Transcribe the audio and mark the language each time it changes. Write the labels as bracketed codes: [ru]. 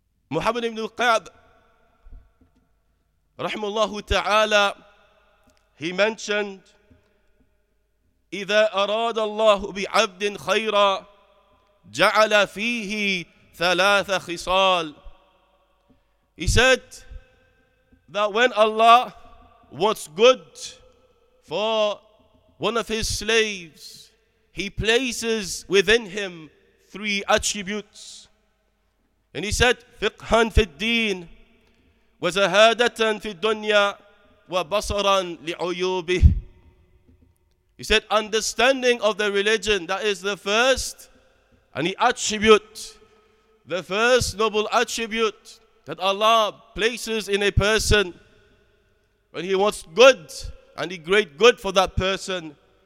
[ar] Muhammad ibn Qa'b rahimahullah ta'ala, [en] he mentioned, [ar] إذا أراد الله بعبد خيرا جعل فيه ثلاث خصال. [en] He said that when Allah wants good for one of His slaves, He places within him three attributes. And He said, [ar] فقها في الدين وزهادة في الدنيا وبصرا لعيوبه. [en] He said, understanding of the religion, that is the first, and the attribute, the first noble attribute that Allah places in a person when He wants good and the great good for that person.